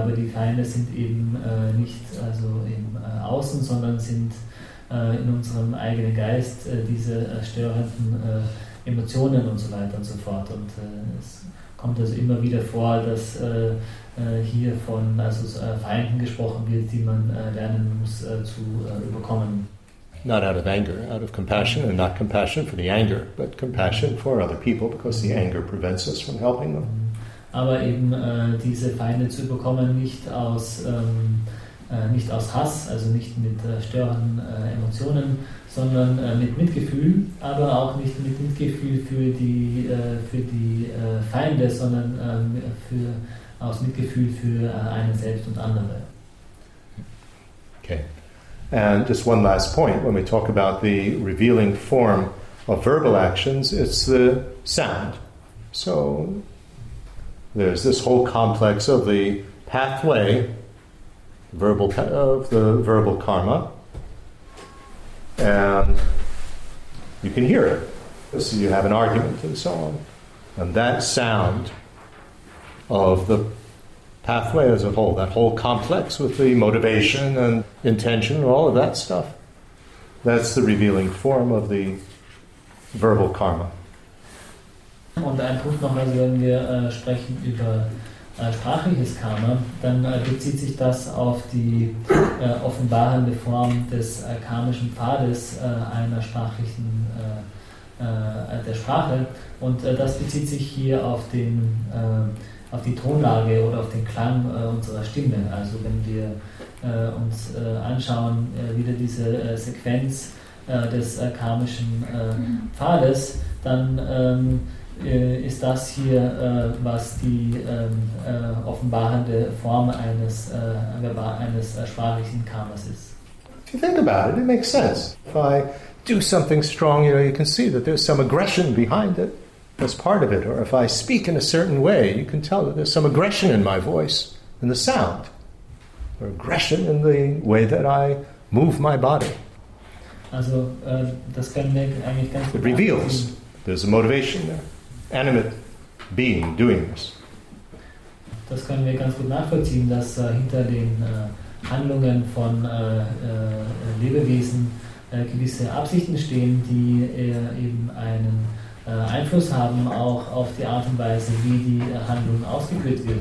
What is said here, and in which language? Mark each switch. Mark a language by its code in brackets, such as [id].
[de] Aber die Feinde sind eben nicht also im Außen, sondern sind in unserem eigenen Geist diese störenden Emotionen und so weiter und so fort. Und es kommt also immer wieder vor, dass hier von also Feinden gesprochen wird, die man lernen muss zu überkommen. [en] Not out of anger, out of compassion, and not compassion for the anger, but compassion for other people, because the anger prevents us from helping them. [de] Aber eben diese Feinde zu bekommen, nicht aus Hass, also nicht mit störenden Emotionen, sondern mit Mitgefühl, aber auch nicht mit Mitgefühl für die Feinde, sondern aus Mitgefühl für einen selbst und andere. Okay. [en] And just one last point, when we talk about the revealing form of verbal actions, it's the sound. So there's this whole complex of the pathway of the verbal karma, and you can hear it. So you have an argument and so on. And that sound of the pathway as a whole, that whole complex with the motivation and intention and all of that stuff, that's the revealing form of the verbal karma. [de] Und ein Punkt nochmal, also wenn wir sprechen über sprachliches Karma, dann bezieht sich das auf die offenbarende Form des karmischen Pfades einer sprachlichen der Sprache. Und das bezieht sich hier auf den auf die Tonlage oder auf den Klang unserer Stimme. Also wenn wir uns anschauen, wieder diese Sequenz des karmischen Pfades, dann ist das hier, was die offenbarende Form eines sprachlichen Karmas ist. [en] If you think about it, it makes sense. If I do something strong, you know, you can see that there's some aggression behind it. As part of it, or if I speak in a certain way, you can tell that there's some aggression in my voice, in the sound, or aggression in the way that I move my body. [de] Also, das kann mir eigentlich ganz [en] it reveals there's a motivation there, animate being doing this. [de] Das können wir ganz gut nachvollziehen, dass hinter den Handlungen von Lebewesen gewisse Absichten stehen, die eben einen Einfluss haben auch auf die Art und Weise, wie die Handlung ausgeführt wird.